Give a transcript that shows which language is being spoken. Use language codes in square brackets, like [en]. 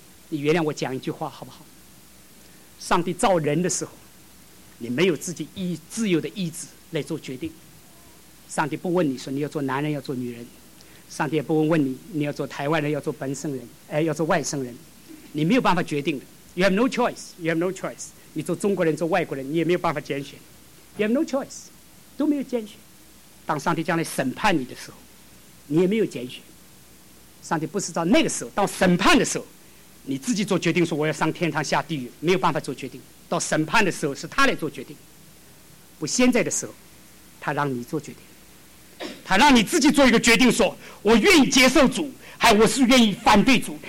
[zh] 你原谅我讲一句话好不好，上帝造人的时候，你没有自己自由的意志来做决定，上帝不问你说你要做男人要做女人，上帝也不会问你你要做台湾人要做本省人要做外省人，你没有办法决定的。 [en] You have no choice, [zh] you have no choice, 你做中国人做外国人你也没有办法拣选， [en] You have no choice, [zh] 都没有拣选。当上帝将来审判你的时候，你也没有拣选。上帝不是到那个时候，到审判的时候你自己做决定说我要上天堂下地狱，没有办法做决定。到审判的时候是他来做决定，不，现在的时候他让你做决定，他让你自己做一个决定，说我愿意接受主，还我是愿意反对主。